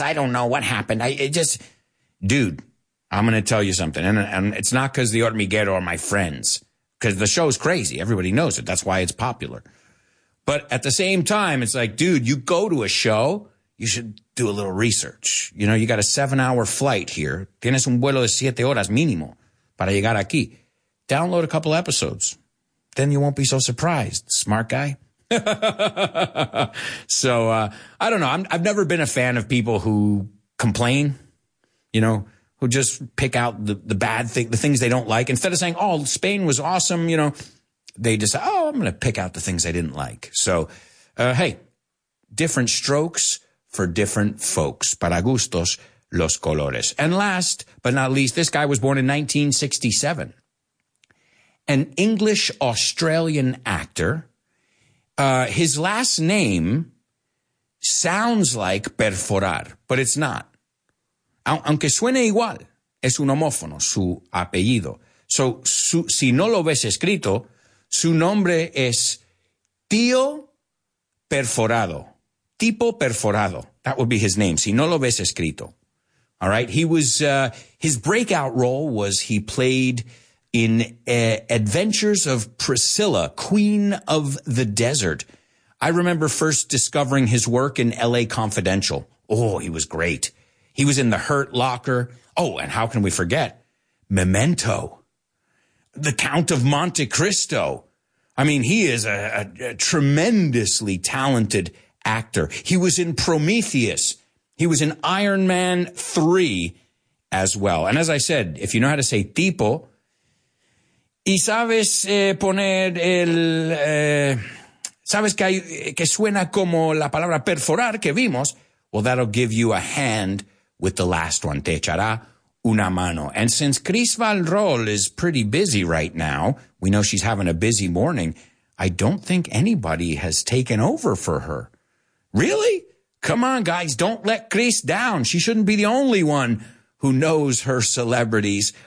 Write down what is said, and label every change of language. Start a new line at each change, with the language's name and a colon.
English: I don't know what happened. I'm going to tell you something. And it's not because The Hormiguero are my friends. Because the show is crazy. Everybody knows it. That's why it's popular. But at the same time, it's like, dude, you go to a show, you should do a little research. You know, you got a 7-hour flight here.
Spanish: Tienes un vuelo de 7 horas mínimo para llegar aquí.
English: Download a couple episodes. Then you won't be so surprised, smart guy. So, I don't know. I've never been a fan of people who complain, you know, who just pick out the bad thing, the things they don't like. Instead of saying, oh, Spain was awesome, you know, they just say, oh, I'm going to pick out the things I didn't like. So, hey, different strokes for different folks.
Spanish: Para gustos, los colores.
English: And last but not least, this guy was born in 1967. An English-Australian actor. His last name sounds like Perforar, but it's not.
Spanish: Aunque suene igual, es un homófono, su apellido. So, si no lo ves escrito, su nombre es Tío Perforado.
English: Tipo Perforado. That would be his name,
Spanish: si no lo ves escrito.
English: All right? He was, his breakout role was he played in Adventures of Priscilla, Queen of the Desert. I remember first discovering his work in L.A. Confidential. Oh, he was great. He was in The Hurt Locker. Oh, and how can we forget? Memento. The Count of Monte Cristo. I mean, he is a tremendously talented actor. He was in Prometheus. He was in Iron Man 3 as well. And as I said, if you know how to say tipo,
Spanish: y sabes poner el... sabes que, hay, que suena como la palabra perforar que vimos.
English: Well, that'll give you a hand with the last one.
Spanish: Te echará una mano.
English: And since Chris Van Roll is pretty busy right now, we know she's having a busy morning, I don't think anybody has taken over for her. Really? Come on, guys, don't let Chris down. She shouldn't be the only one who knows her celebrities.